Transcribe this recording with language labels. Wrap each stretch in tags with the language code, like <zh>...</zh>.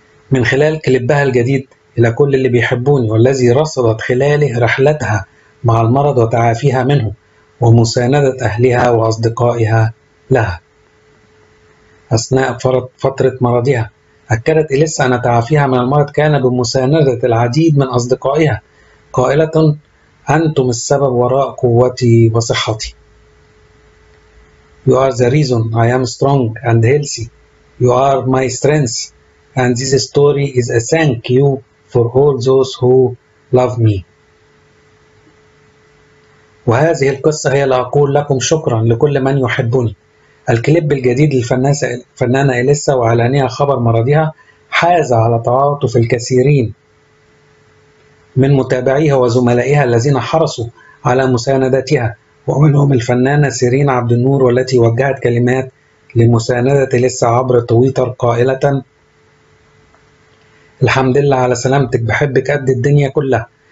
<ar>من خلال كليبها الجديد إلى كل اللي بيحبوني، والذي رصدت خلاله رحلتها مع المرض وتعافيها منه ومساندة أهلها وأصدقائها لها أثناء فترة مرضها. أكدت إليسا أن تعافيها من المرض كان بمساندة العديد من أصدقائها، قائلة: أنتم السبب وراء قوتي وصحتي.</ar> <en>You are the reason I am strong and healthy. You are my strength. And this story is a thank you for all those who love me.</en> <ar>وهذه القصة هي اللي أقول لكم شكرا لكل من يحبني. الكليب الجديد للفنانة إليسا وإعلانها خبر مرضها حاز على تعاطف الكثيرين من متابعيها وزملائها الذين حرصوا على مساندتها، ومنهم الفنانة سيرين عبد النور والتي وجهت كلمات لمساندة إليسا عبر تويتر قائلة: الحمد لله على سلامتك، بحبك قد الدنيا كلها.</ar>